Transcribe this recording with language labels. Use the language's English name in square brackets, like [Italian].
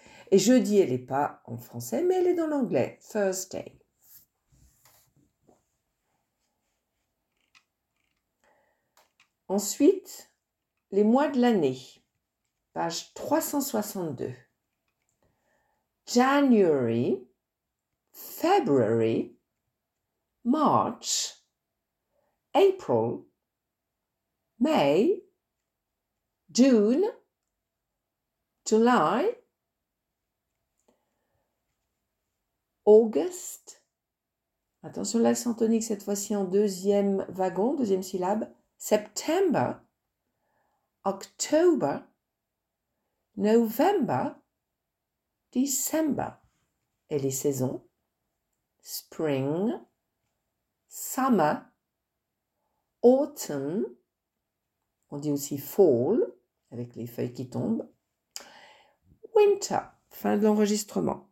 [French] Et jeudi elle n'est pas en français, mais elle est dans l'anglais, Thursday. Ensuite, les mois de l'année, page 362. [English] January, February, March, April, May, June, July, August. [French] Attention à l'accent tonique cette fois-ci en deuxième wagon, deuxième syllabe. [English] September, October, November, December, [French] et les saisons, [English] spring, summer, autumn, [French] on dit aussi fall, avec les feuilles qui tombent, winter, fin de l'enregistrement.